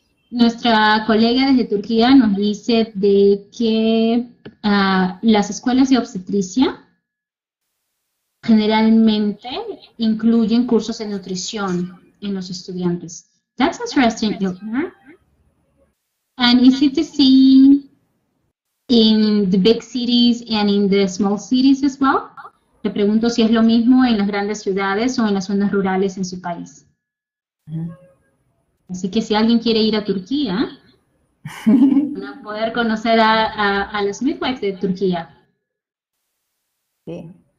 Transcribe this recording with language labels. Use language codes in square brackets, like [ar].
[es] Nuestra colega desde Turquía nos dice de que las escuelas de obstetricia generalmente incluyen cursos de nutrición en los estudiantes. [en] That's interesting, Ilnar. And is it the same in the big cities and in the small cities as well? [es] Le pregunto si es lo mismo en las grandes ciudades o en las zonas rurales en su país. Así que si alguien quiere ir a Turquía, van a poder conocer a los midwives de Turquía. Sí.